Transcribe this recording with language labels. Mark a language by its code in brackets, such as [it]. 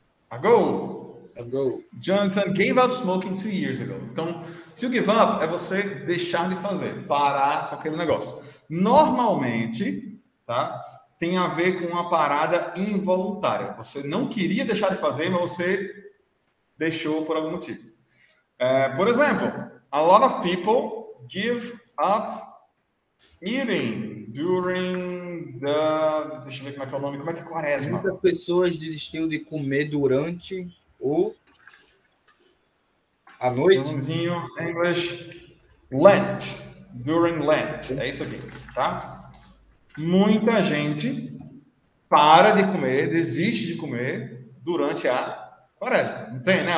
[en] Ago. Jonathan gave up smoking 2 years ago. [pt] Então, to give up é você deixar de fazer. Parar com aquele negócio. Normalmente, tá? Tem a ver com uma parada involuntária. Você não queria deixar de fazer, mas você deixou por algum motivo. [en] Por exemplo, a lot of people give up eating during [pt] da... Deixa eu ver como é que é o nome. Como é que é quaresma? Muitas pessoas desistiram de comer durante o... A noite? [en] Um inglês. Lent. During Lent. [pt] É isso aqui, tá? Muita gente para de comer, desiste de comer durante a quaresma. Não tem, né?